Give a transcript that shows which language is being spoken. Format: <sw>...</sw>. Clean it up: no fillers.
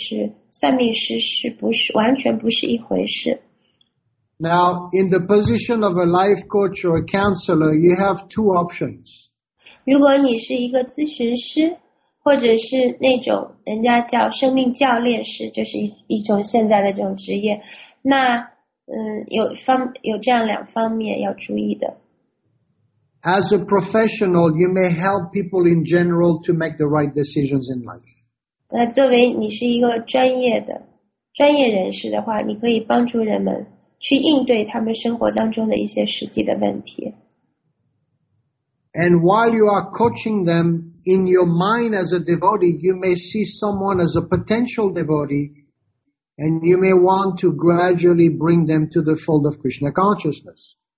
<zh>就是你在这里说明的说的是你的职业，相当是给就是作为别人的一个咨询师，就像给他们一些培训。这个和前面所讲的占星师或者是算命师是不是完全不是一回事？</zh> <en>Now, in the position of a life coach or a counselor, you have two options.</en> <zh>如果你是一个咨询师，或者是那种人家叫生命教练师，就是一种现在的这种职业，那有这样两方面要注意的。As</zh> <en>a professional, you may help people in general to make the right decisions in life.</en> <zh>作为你是一个专业的人士的话，你可以帮助人们。</zh> <en>And while you are coaching them, in your mind as a devotee, you may see someone as a potential devotee, and you may want to gradually bring them to the fold of Krishna consciousness.</en>